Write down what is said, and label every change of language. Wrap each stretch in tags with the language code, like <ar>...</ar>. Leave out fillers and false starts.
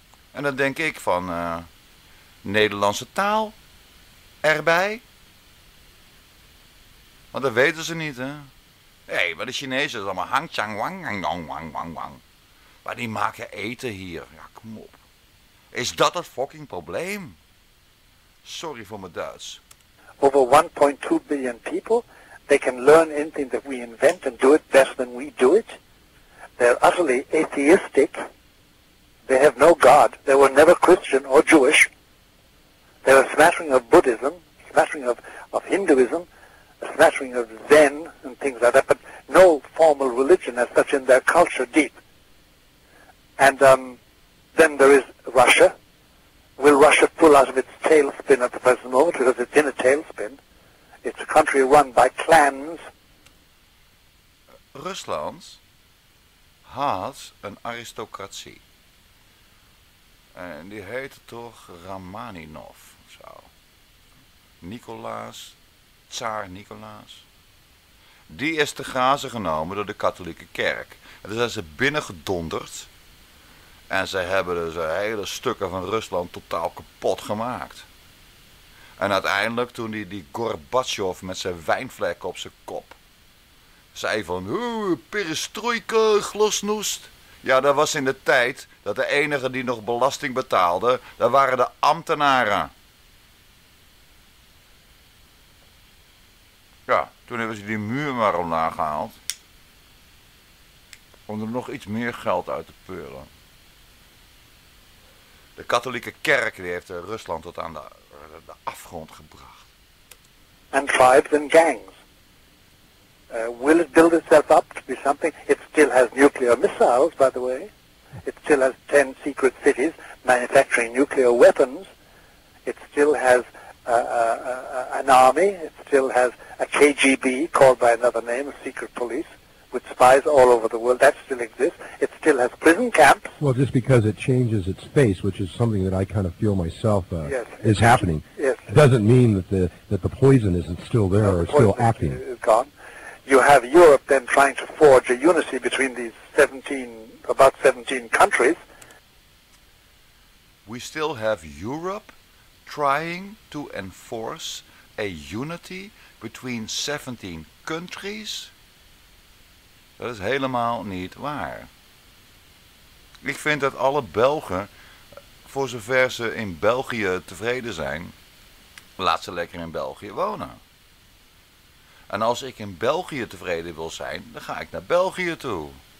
<nl>En dan denk ik van, Nederlandse taal erbij. Want dat weten ze niet, hè. Hé, hey, maar de Chinezen is allemaal hang chang wang wang wang wang wang. Maar die maken eten hier. Ja, kom op. Is dat het fucking probleem? Sorry voor mijn Duits.</nl> <en>Over 1.2 billion people, they can learn anything that we invent and do it better than we do it. They're utterly atheistic. They have no God. They were never Christian or Jewish. They're a smattering of Buddhism, smattering of Hinduism, a smattering of Zen and things like that, but no formal religion as such in their culture deep. And then there is Russia. Will Russia pull out of its tailspin at the present moment? Because it's in a tailspin. It's a country run by clans.</en> <nl>Rusland had een aristocratie. En die heette toch Ramaninov, zo. Nicolaas, tsaar Nicolaas. Die is te grazen genomen door de katholieke kerk. En toen zijn ze binnengedonderd. En ze hebben dus hele stukken van Rusland totaal kapot gemaakt. En uiteindelijk, toen die Gorbachev met zijn wijnvlek op zijn kop zei van, perestroika, glasnost. Ja, dat was in de tijd dat de enige die nog belasting betaalde, dat waren de ambtenaren. Ja, toen hebben ze die muur maar omlaag gehaald. Om er nog iets meer geld uit te peuren. De katholieke kerk die heeft Rusland tot aan de afgrond gebracht. En tribes en gangs.</nl> <en>Will it build itself up to be something? It still has nuclear missiles, by the way. It still has 10 secret cities manufacturing nuclear weapons. It still has an army. It still has a KGB, called by another name, a secret police, with spies all over the world. That still exists. It still has prison camps. Well, just because it changes its face, which is something that I kind of feel myself is happening, yes, doesn't mean that the poison isn't still there or still acting. It's gone. You have Europe then trying to forge a unity between these about 17 countries. We still have Europe trying to enforce a unity between 17 countries?</en> <nl>Dat is helemaal niet waar. Ik vind dat alle Belgen, voor zover ze in België tevreden zijn, laat ze lekker in België wonen. En als ik in België tevreden wil zijn, dan ga ik naar België toe.</nl>